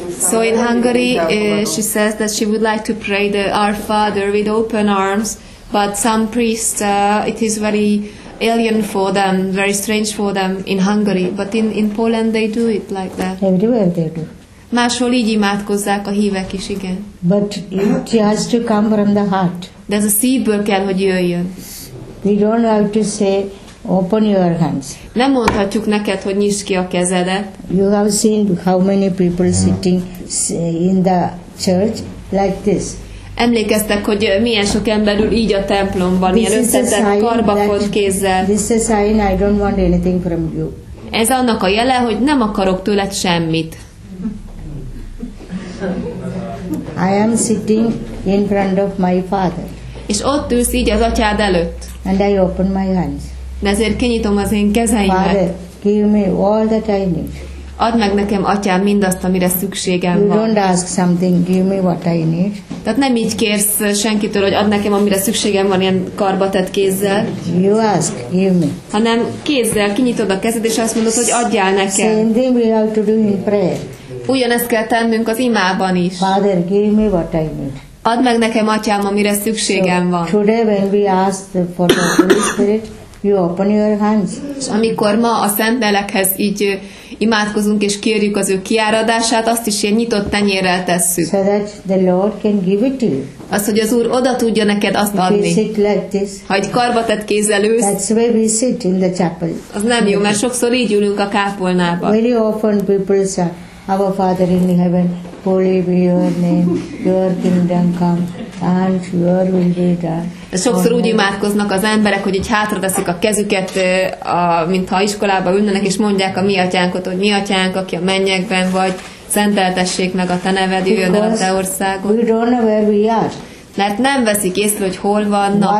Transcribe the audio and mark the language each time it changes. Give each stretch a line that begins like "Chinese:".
English: So in Hungary, she says that she would like to pray the Our Father with open arms, but some priests, it is very alien for them, very strange for them in Hungary. But in Poland, they do it like that. Everywhere they do.
Hungarian: Máshol így imádkozzák a hívek is, igen.
English: But it has to come from the heart.
Hungarian: De ez a szívből kell, hogy jöjjön.
English: We don't have to say, open your hands.
Hungarian: Nem mondhatjuk neked, hogy nyisd ki a kezedet.
English: You have seen how many people sitting in the church like this.
Hungarian: Emlékeztek, hogy milyen sok ember ül így a templomban, ilyen összetett karbakot kézzel.
English: This is a sign I don't want anything from you.
Hungarian: Ez annak a jele, hogy nem akarok tőled semmit.
English: I am sitting in front of my father.
Hungarian: És ott ülsz így az atyád előtt.
English: And I open my hands.
Hungarian: De ezért kinyitom az én kezeimet.
English: Father, give me all that I need.
Hungarian: Add meg nekem, atyám, mindazt, amire szükségem van.
English: You don't ask something, give me what I need.
Hungarian: Tehát nem így kérsz senkitől, hogy add nekem, amire szükségem van, ilyen karba tett kézzel.
English: You ask, give me.
Hungarian: Hanem kézzel kinyitod a kezed, és azt mondod, hogy adjál nekem.
English: Same thing we have to do in prayer.
Hungarian: Ugyanezt kell tennünk az imában is.
English: Father, give me what I need.
Hungarian: Add meg nekem, atyám, amire szükségem van.
English: So, today when we ask for the Holy Spirit, you open your hands.
Hungarian: És amikor ma a Szent Lélekhez így imádkozunk és kérjük az ő kiáradását, azt is ilyen nyitott tenyérrel tesszük.
English: So that the Lord can give it to you.
Hungarian: Az, hogy az Úr oda tudja neked azt adni.
English: If you sit like this,
Hungarian: ha egy karba tett kézzel ősz,
English: that's where we sit in the chapel.
Hungarian: Az nem jó, mert sokszor így ülünk a kápolnában.
English: Very often people say, Our Father in heaven, holy be your name, your kingdom come, and your will be done.
Hungarian: De sokszor úgy imádkoznak az emberek, hogy így hátra teszik a kezüket, mintha iskolába ülnének, és mondják a mi atyánkot, hogy mi atyánk, aki a mennyekben vagy, szenteltessék meg a te neved, jöjjön el a te országod.
English: We don't know where we are.
Hungarian: Mert nem veszik észre, hogy hol vannak.